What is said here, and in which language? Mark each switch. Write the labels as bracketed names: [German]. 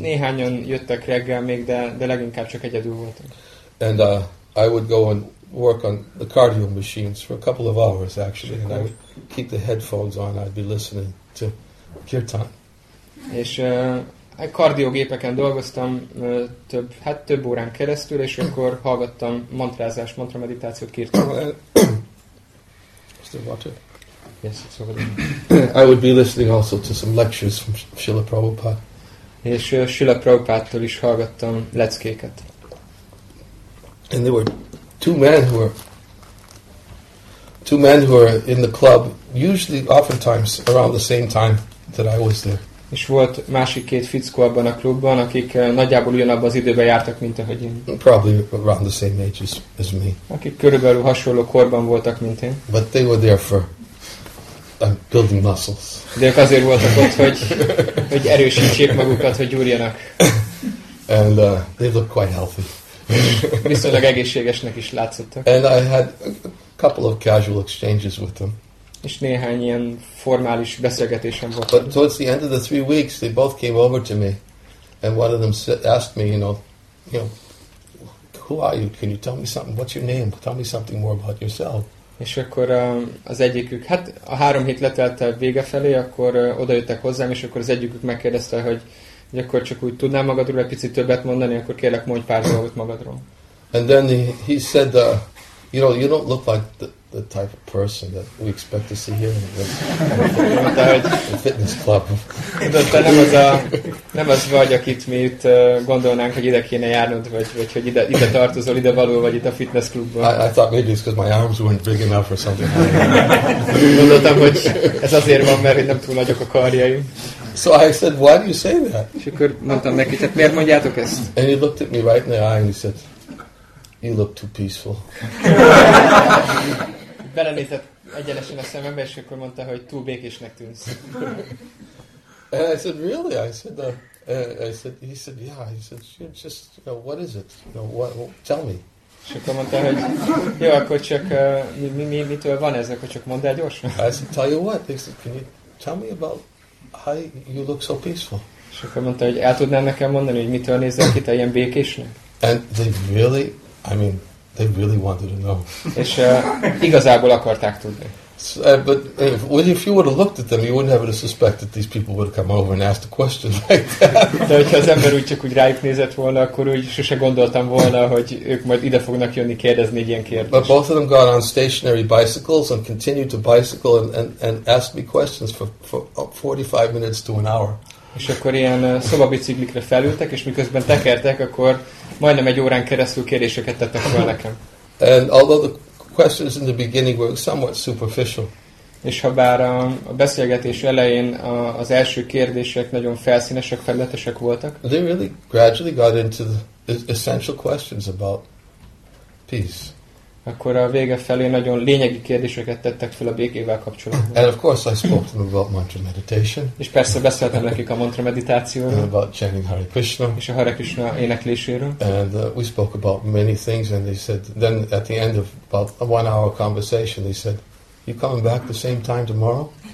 [Hungarian] Néhányan jöttek reggel még, de leginkább csak egyedül voltam. [English] And I would go and work on the cardio machines for a couple of hours actually, and I would keep the headphones on. I'd be listening to kirtan. [Hungarian] És kardiogépeken dolgoztam több órán keresztül, és akkor hallgattam mantrázást, mantra meditációt, kirtan. [English] Yes, it's over there. I would be listening also to some lectures from Srila Prabhupada. [Hungarian] És Srila Prabhupádtól is hallgattam leckéket. [English] And there were two men who were in the club, usually oftentimes around the same time that I was there. [Hungarian] És volt másik két fickó abban a klubban, akik nagyjából ugyanabban az időben jártak, mint ahogy én. [English] Probably around the same age as me. [Hungarian] Akik körülbelül hasonló korban voltak, mint én. [English] But they were there for building muscles. [Hungarian] De ők azért voltak ott, hogy erősítsék magukat, hogy gyúrjanak. [English] And they looked quite healthy. [Hungarian] Viszonylag egészségesnek is látszottak. [English] And I had a couple of casual exchanges with them. [Hungarian] És néhány ilyen formális beszélgetésem volt. [English] But towards the end of the 3 weeks, they both came over to me, and one of them asked me, you know, who are you? Can you tell me something? What's your name? Tell me something more about yourself. [Hungarian] És akkor az egyikük, hát a 3 hét letelt vége felé, akkor odajöttek hozzám, és akkor az egyikük megkérdezte, hogy akkor csak úgy tudnál magadról egy picit többet mondani, akkor kérlek, mondj pár dolgot magadról. [English] And then he said, you don't look like the type of person that we expect to see here in the fitness club. [Hungarian] De nem az vagy, akit mi itt gondolnánk, hogy ide kéne járnod, vagy hogy ide tartozol, ide való vagy itt a fitness klubban. [English] I thought maybe it's because my arms weren't big enough or something. [Hungarian] Gondoltam, hogy ez azért van, mert nem túl nagyok a karjaim. [English] So I said, why do you say that? [Hungarian] És akkor mondtam neki, tehát miért mondjátok ezt? [English] And he looked at me right in the eye and he said, you look too peaceful. [Hungarian] Belenézett egyenesen a szemembe, és akkor mondta, hogy túl békésnek tűnsz. [English] And I said, really? He said, yeah. He said, just, you know, what is it? You know, what, tell me. [Hungarian] És akkor mondta, hogy jó, akkor csak mitől van ez, akkor csak mondd el gyorsan. [English] I said, tell you what? He said, can you tell me about how you look so peaceful? [Hungarian] És akkor mondta, hogy el tudnál nekem mondani, hogy mitől nézel ki te ilyen békésnek? [English] And they really... I mean, they really wanted to know. [Hungarian] És igazából akarták tudni. [English] But if you would have looked at them, you wouldn't have ever suspected these people would have come over and asked a question like that. [Hungarian] De hogyha az ember úgy csak úgy rájuk nézett volna, akkor úgy sose gondoltam volna, hogy ők majd ide fognak jönni kérdezni egy ilyen kérdést. [English] But both of them got on stationary bicycles and continued to bicycle and asked me questions for 45 minutes to an hour. [Hungarian] És akkor ilyen szobabiciklikre felültek, és miközben tekertek, akkor majdnem egy órán keresztül kérdéseket tettek fel nekem. [English] And although the questions in the beginning were somewhat superficial. [Hungarian] És habár a beszélgetés elején az első kérdések nagyon felszínesek, felületesek voltak. [English] They really gradually got into the essential questions about peace. [Hungarian] Akkor a vége felé nagyon lényegi kérdéseket tettek fel a békével kapcsolatban. [English] And of course I spoke to them about mantra meditation. [Hungarian] És persze beszéltem nekik a mantra meditációról. [English] And about chanting Hare Krishna. [Hungarian] És a Hare Krishna énekléséről. [English] And we spoke about many things and they said, then at the end of about a 1 hour conversation they said, you coming back the same time tomorrow?